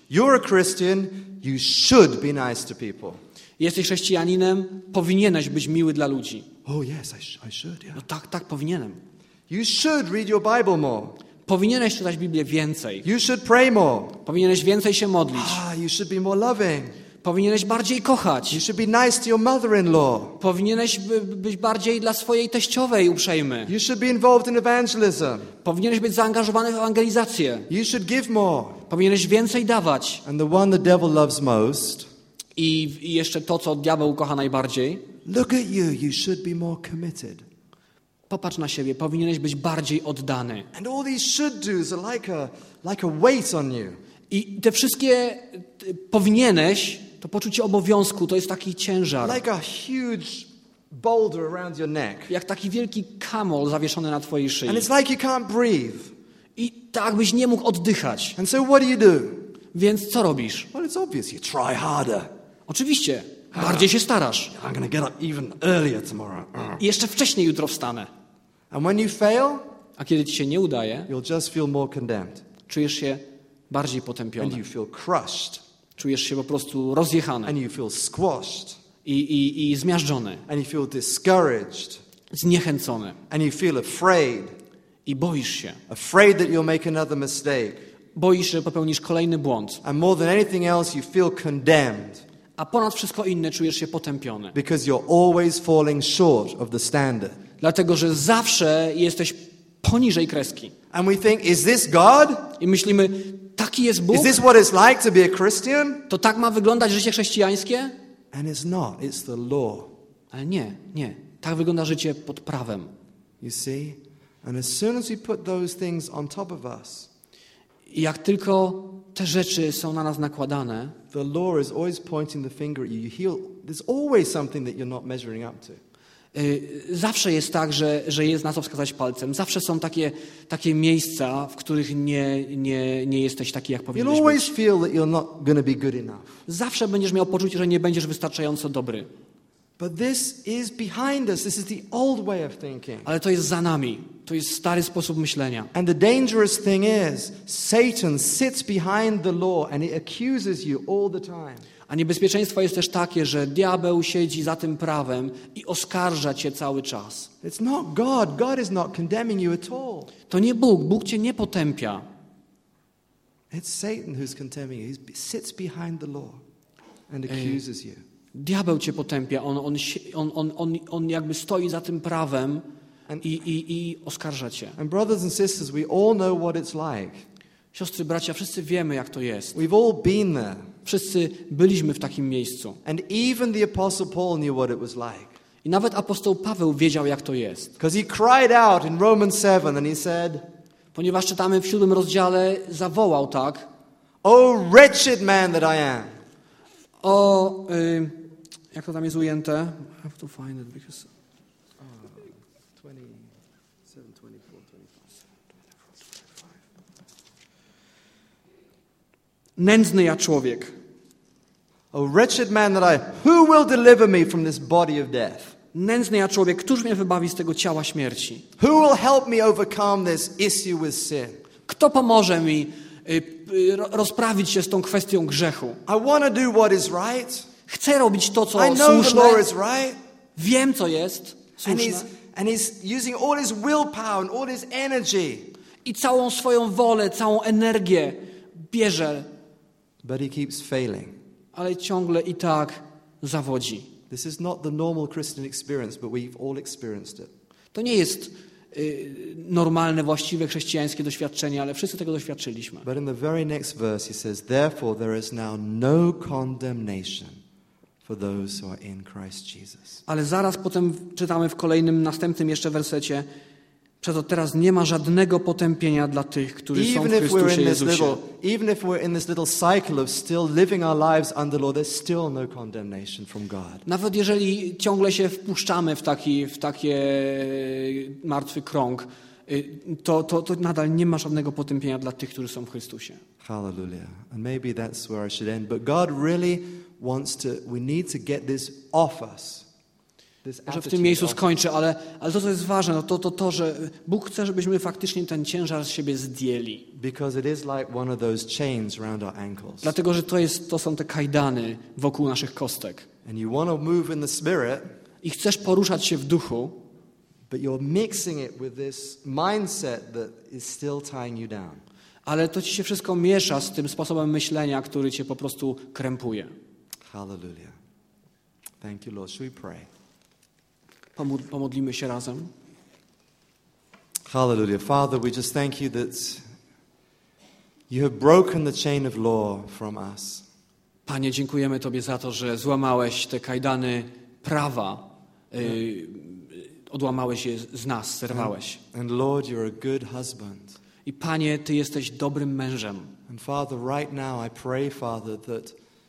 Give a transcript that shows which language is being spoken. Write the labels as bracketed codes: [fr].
[en] You're a Christian, you should be nice to people. [pl] Jesteś chrześcijaninem, powinieneś być miły dla ludzi. [en] Oh yes, I should, yeah. [pl] No tak, tak powinienem. [en] You should read your Bible more. [pl] Powinieneś czytać Biblię więcej. [en] You should pray more. [pl] Powinieneś więcej się modlić. [en] Ah, you should be more loving. [pl] Powinieneś bardziej kochać. [en] You should be nice to your mother-in-law. [pl] Powinieneś być bardziej dla swojej teściowej uprzejmy. [en] You should be involved in evangelism. [pl] Powinieneś być zaangażowany w ewangelizację. [en] You should give more. [pl] Powinieneś więcej dawać. [en] And the one the devil loves most. [pl] I jeszcze to, co diabeł kocha najbardziej. [en] Look at you. You should be more committed. [pl] Popatrz na siebie, powinieneś być bardziej oddany. [en] And all these should do's are like a weight on you. [pl] I te wszystkie powinieneś, to poczucie obowiązku, to jest taki ciężar. [en] Like a huge boulder around your neck. [pl] Jak taki wielki kamol zawieszony na twojej szyi. [en] And it's like you can't breathe. [pl] I tak byś nie mógł oddychać. [en] And so what do you do? [pl] Więc co robisz? [en] Well, it's obvious, you try harder. [pl] Oczywiście. Bardziej się starasz. [en] I'm gonna get up even earlier tomorrow. [pl] I jeszcze wcześniej jutro wstanę. [en] And when you fail, [pl] a kiedy ci się nie udaje, [en] you'll just feel more condemned. [pl] Czujesz się bardziej potępiony. [en] And you feel crushed. [pl] Czujesz się po prostu rozjechany. [en] And you feel squashed. [pl] I zmiażdżony. [en] And you feel discouraged. [pl] Zniechęcony. [en] And you feel afraid. [pl] I boisz się. [en] Afraid that you'll make another mistake. [pl] Boisz się, że popełnisz kolejny błąd. [en] And more than anything else, you feel condemned. [pl] A ponad wszystko inne czujesz się potępiony. [en] Because you're always falling short of the standard. [pl] Dlatego, że zawsze jesteś poniżej kreski. [en] And we think, is this God? [pl] I myślimy, taki jest Bóg? [en] Is this what it's like to be a Christian? [pl] To tak ma wyglądać życie chrześcijańskie? [en] And it's not, it's the law. [pl] Ale nie, nie. Tak wygląda życie pod prawem. [en] You see? And as soon as we put those things on top of us, [pl] i jak tylko te rzeczy są na nas nakładane, [en] the law is always pointing the finger at you. There's always something that you're not measuring up to. [pl] Zawsze jest tak, że jest na co wskazać palcem. Zawsze są takie miejsca, w których nie jesteś taki, jak powinieneś [en] you'll always [pl] być. [en] Feel that you're not gonna be good enough. [pl] Zawsze będziesz miał poczucie, że nie będziesz wystarczająco dobry. [en] But this is behind us. This is the old way of thinking. [pl] Ale to jest za nami. To jest stary sposób myślenia. [en] And the dangerous thing is, Satan sits behind the law and he accuses you all the time. [pl] A niebezpieczeństwo jest też takie, że diabeł siedzi za tym prawem i oskarża cię cały czas. [en] It's not God. God is not condemning you at all. [pl] To nie Bóg. Bóg cię nie potępia. [en] It's Satan who's condemning you. He sits behind the law and accuses you. [pl] Diabeł cię potępia. On jakby stoi za tym prawem i oskarża cię. [en] And brothers and sisters, we all know what it's like. [pl] Siostry, bracia, wszyscy wiemy, jak to jest. [en] We've all been there. [pl] Wszyscy byliśmy w takim miejscu. [en] And even the apostle Paul knew what it was like. [pl] I nawet apostoł Paweł wiedział, jak to jest. [en] Because he cried out in Romans 7 and he said, [pl] ponieważ czytamy w 7 rozdziale, zawołał tak: [en] O wretched man that I am. [pl] O jak to tam jest ujęte? [en] I have to find it because 24, 25. [pl] Nędzny ja człowiek. [en] O wretched man that I, who will deliver me from this body of death? [pl] Nędzny ja człowiek, któż mnie wybawi z tego ciała śmierci? [en] Who will help me overcome this issue with sin? [pl] Kto pomoże mi rozprawić się z tą kwestią grzechu? [en] I want to do what is right. [pl] Chcę robić to, co słuszne. [en] I know the law is right. [pl] Wiem, co jest słuszne. [en] And he's using all his willpower and all his energy. [pl] I całą swoją wolę, całą energię bierze. [en] But he keeps failing. [pl] Ale ciągle i tak zawodzi. [en] This is not the normal Christian experience, but we've all experienced it. [pl] To nie jest normalne, właściwe chrześcijańskie doświadczenie, ale wszyscy tego doświadczyliśmy. [en] But in the very next verse he says, therefore there is now no condemnation for those who are in Christ Jesus. [pl] Ale zaraz potem czytamy w kolejnym, następnym jeszcze wersecie, przez to teraz nie ma żadnego potępienia dla tych, którzy są [en] even [pl] w Chrystusie Jezusie. [en] Even if we're in this little cycle of still living our lives under law, there's still no condemnation from God. [pl] Nawet jeżeli ciągle się wpuszczamy w taki martwy krąg, to nadal nie ma żadnego potępienia dla tych, którzy są w Chrystusie. [en] Hallelujah. And maybe that's where I should end. But God really wants to, we need to get this off us. [pl] Może w tym miejscu skończę, ale to, co jest ważne, to, że Bóg chce, żebyśmy faktycznie ten ciężar z siebie zdjęli. [en] Because it is like one of those chains around our ankles. [pl] Dlatego, że to są te kajdany wokół naszych kostek. [en] And you want to move in the spirit, [pl] i chcesz poruszać się w duchu, [en] but you're mixing it with this mindset that is still tying you down. [pl] Ale to ci się wszystko miesza z tym sposobem myślenia, który cię po prostu krępuje. [en] Hallelujah. Thank you, Lord. Should we pray? [pl] Pomodlimy się razem. [en] Hallelujah. Father, we just thank you that you have broken the chain of law from us. [pl] Panie, dziękujemy Tobie za to, że złamałeś te kajdany prawa, odłamałeś je z nas, zerwałeś. [en] And Lord, you're a good husband. [pl] I Panie, Ty jesteś dobrym mężem. [en] And Father, right now I pray, Father, that